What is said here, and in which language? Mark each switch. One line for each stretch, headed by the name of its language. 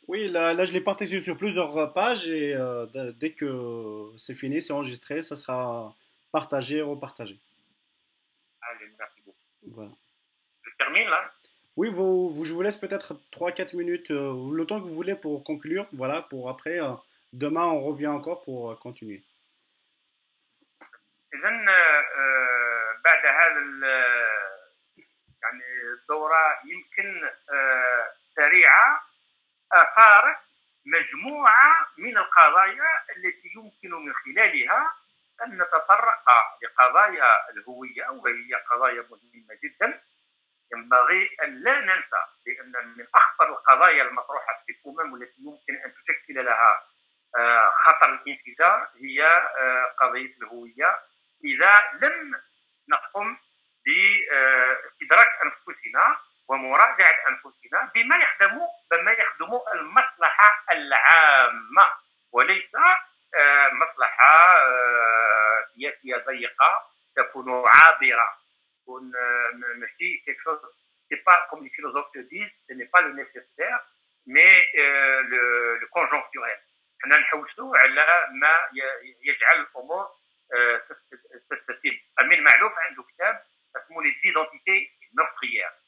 French: Là, je l'ai partagé sur plusieurs pages et dès que c'est fini, c'est enregistré, ça sera partagé, repartagé. Allez, merci beaucoup. Voilà. Je termine là? Oui, je vous laisse peut-être 3-4 minutes, le temps que vous voulez pour conclure. Voilà, pour après, demain, on revient encore pour continuer. Et bien,
Arabic: بعد هذا يعني الدورة يمكن سريعة أثارت مجموعة من القضايا التي يمكن من خلالها أن نتطرق لقضايا الهوية، وهي قضايا مهمة جدا ينبغي أن لا ننسى، لأن من أخطر القضايا المطروحة في الأمم والتي يمكن أن تشكل لها خطر الانفجار هي قضية الهوية، إذا لم نقم بإدراك أنفسنا ومراجعة أنفسنا بما يخدم المصلحة العامة وليس مصلحة سياسية ضيقة تكون عابرة. تكون ماشي
French: quelque chose c'est pas comme les philosophes le disent ce n'est pas le nécessaire mais le conjoncturel.
Arabic: حنا نحوسوا على ما يجعل الأمور تستتب. أمين معلوف عنده كتاب اسمه ليزيدونتيتي مرقيه.